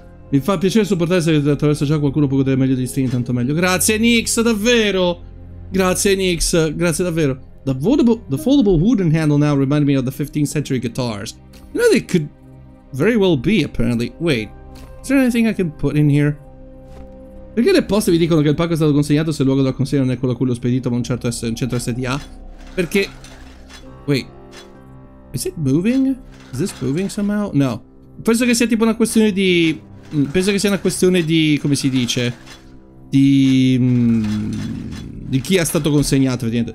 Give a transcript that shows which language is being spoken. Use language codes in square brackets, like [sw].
[it] Mi fa piacere supportare se attraverso già qualcuno può godere meglio di stream, tanto meglio. Grazie, Nyx, davvero! Grazie, Nyx, grazie davvero. [en] The foldable wooden handle now reminded me of the 15th century guitars. You know, they could very well be, apparently. Wait, is there anything I can put in here? [it] Perché le poste vi dicono che il pacco è stato consegnato se il luogo della consegna non è quello a cui l'ho spedito, ma un certo un centro SDA? Perché... [en] Wait. Is it moving? Is this moving somehow? No. [it] Penso che sia tipo una questione di... Penso che sia una questione di, come si dice, di chi è stato consegnato, vedete.